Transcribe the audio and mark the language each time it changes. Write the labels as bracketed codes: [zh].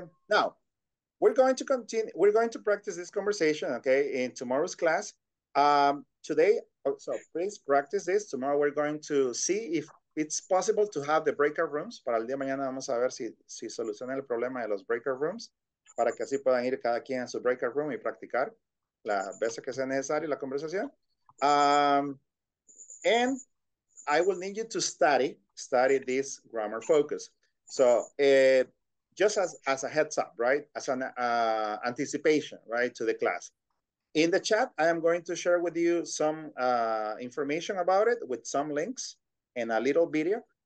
[en] Now we're going to continue. We're going to practice this conversation, okay, in tomorrow's class. Today, so please practice this. Tomorrow we're going to see if it's possible to have the breakout rooms. [es] Para el día de mañana vamos a ver si soluciona el problema de los breakout rooms. Para que así puedan ir cada quien a su breakout room y practicar las veces que sea necesario la conversación. [en] And I will need you to study this grammar focus. So just as a heads up, right? As an anticipation, right, to the class. In the chat, I am going to share with you some information about it with some links and a little video.